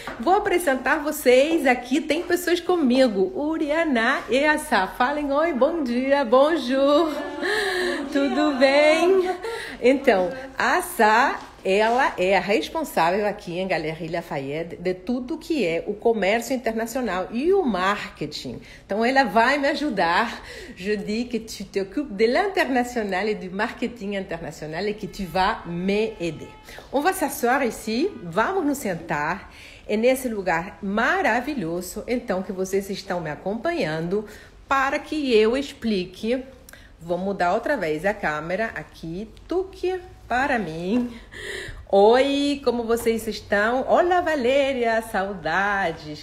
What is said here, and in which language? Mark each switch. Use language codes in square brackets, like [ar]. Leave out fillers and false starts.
[pt] Vou apresentar vocês. Aqui tem pessoas comigo, Uriana e Assá. Falem oi, bom dia, bonjour. Bom dia. Tudo bem? Então, Bom dia. a Assá, ela é a responsável aqui em Galeries Lafayette de tudo que é o comércio internacional e o marketing. Então, ela vai me ajudar. [fr] Je dis que tu te occupes de l'international et du marketing international et que tu vas me aider. On va s'asseoir ici, [pt] vamos nos sentar. É nesse lugar maravilhoso, então, que vocês estão me acompanhando para que eu explique. Vou mudar outra vez a câmera aqui, tuque para mim. Oi, como vocês estão? Olá, Valéria, saudades.